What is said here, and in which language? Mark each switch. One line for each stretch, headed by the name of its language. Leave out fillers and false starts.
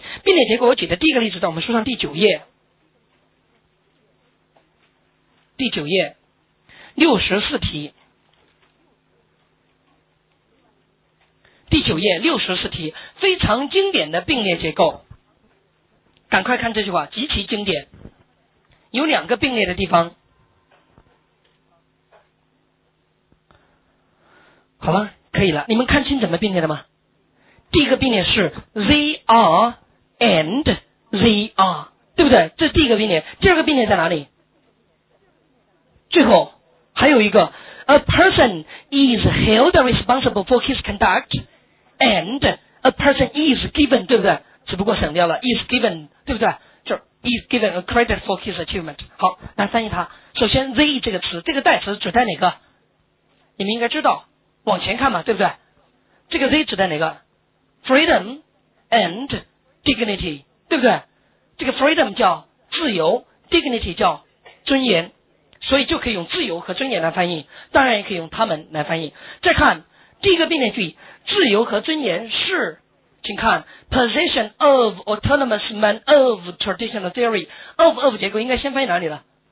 Chinese: 并列结构我举的第一个例子在我们书上第九页，第九页64题，第九页64题，非常经典的并列结构，赶快看这句话，极其经典，有两个并列的地方，好吧，可以了。你们看清怎么并列的吗？第一个并列是
English: they are and they are，
Chinese: 对不对？这第一个并列。第二个并列在哪里？最后还有一个
English: a person is held responsible for his conduct and a person is given，
Chinese: 对不对？只不过省掉了
English: is given，
Chinese: 对不对？
English: Is given a credit for his achievement。
Chinese: 好，来翻译它。首先 they 这个词，这个代词指代哪个？你们应该知道，往前看嘛，对不对？这个 they 指代哪个？
English: Freedom and dignity，
Chinese: 对不对？这个 freedom 叫自由， dignity 叫尊严，所以就可以用自由和尊严来翻译，当然也可以用他们来翻译。再看第一个并列句，自由和尊严是，请看
English: position of autonomous man of traditional theory，
Chinese: of 结构应该先翻译哪里了？